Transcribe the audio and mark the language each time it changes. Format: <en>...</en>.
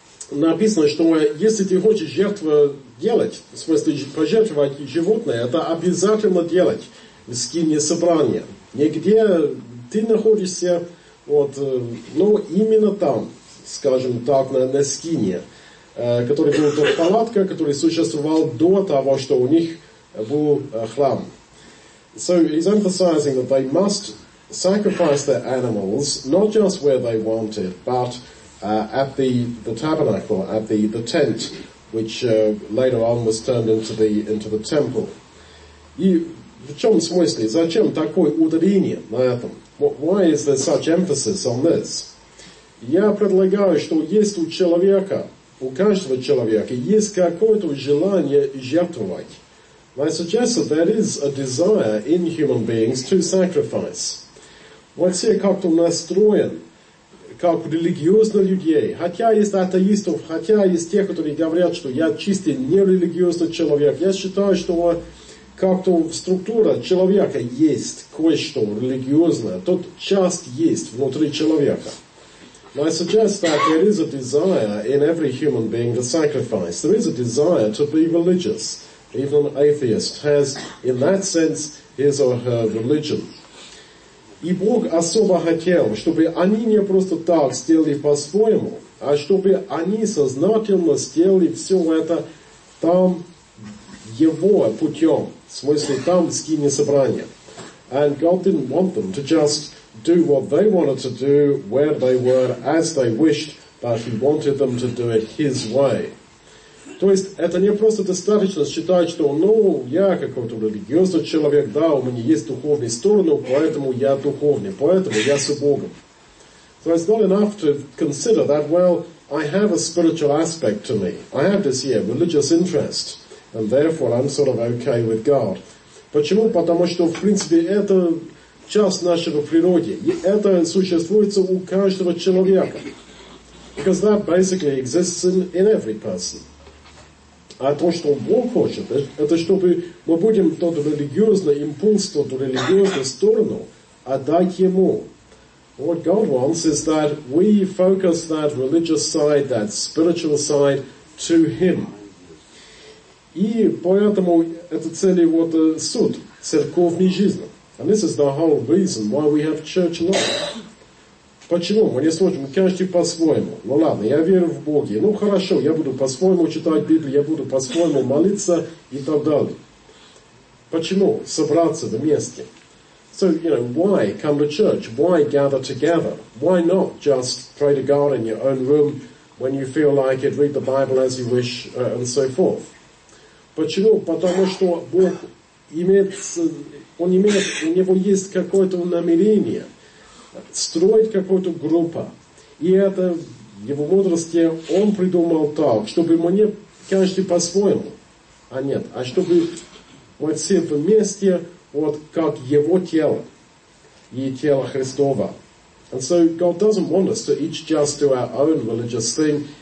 <ru>Написано, что если ты хочешь жертву делать, в смысле пожертвовать животное, это обязательно делать в скинии собрания. Нигде ты находишься, вот, ну, именно там, скажем так, на скинии, который был тот палатка, который существовал до того, что у них был храм.</ru> <en>So he's emphasizing that they must sacrifice their animals, not just where they want it, but at the tabernacle, at the tent, which later on was turned into the temple.</en> <ru>И в чем смысле? Зачем такое ударение на этом?</ru> <en>Why is there such emphasis on this?</en> <ru>Я предлагаю, что есть у человека, у каждого человека, есть какое-то желание жертвовать.</ru> <en>I suggest that there is a desire in human beings to sacrifice.</en> <ru>Вообще как-то настроен. Как религиозных людей, хотя есть атеистов, хотя есть тех, которые говорят, что я чистый нерелигиозный человек, я считаю, что как-то структура человека есть кое-что религиозное, тот часть есть внутри человека.</ru> <en>I suggest that there is a desire in every human being to sacrifice. There is a desire to be religious. Even an atheist has, in that sense, his or her religion.</en> <ru>И Бог особо хотел, чтобы они не просто так сделали по-своему, а чтобы они сознательно сделали все это там его путем, в смысле там в скине собрания.</ru> <en>And God didn't want them to just do what they wanted to do, where they were, as they wished, but he wanted them to do it his way.</en> <ru>То есть это не просто достаточно считать, что ну, я какой-то религиозный человек, да, у меня есть духовные стороны, поэтому я духовный, поэтому я с Богом.</ru> <en>So it's not enough to consider that, well, I have a spiritual aspect to me. I have this, yeah, religious interest, and therefore I'm sort of okay with God.</en> <ru>Почему? Потому что, в принципе, это часть нашего природы, и это существует у каждого человека.</ru> <en>Because that basically exists in every person.</en> <ru>А то, что Бог хочет, это чтобы мы будем тот религиозный импульс, тот религиозную сторону отдать Ему.</ru> <en>What God wants is that we focus that religious side, that spiritual side to Him.</en> <ru>И поэтому это цели вот суд церковной жизни.</ru> <en>And this is the whole reason why we have church life.</en> <ru>Почему? Мы не сможем, каждый по-своему. Ну ладно, я верю в Бога. Ну хорошо, я буду по-своему читать Библию, я буду по-своему молиться и так далее. Почему? Собраться вместе.</ru> <en>So, you know, why come to church? Why gather together? Why not just pray to God in your own room when you feel like it, read the Bible as you wish, and so forth?</en> <ru>Почему? Потому что Бог имеет, Он имеет, у Него есть какое-то намерение строить какую-то группу. И это в его мудрости он придумал так, чтобы мы не каждый по-своему, а нет, а чтобы мы все вместе, вот как его тело и тело Христова.</ru> <en>And so God doesn't want us to each just do our own religious thing.</en>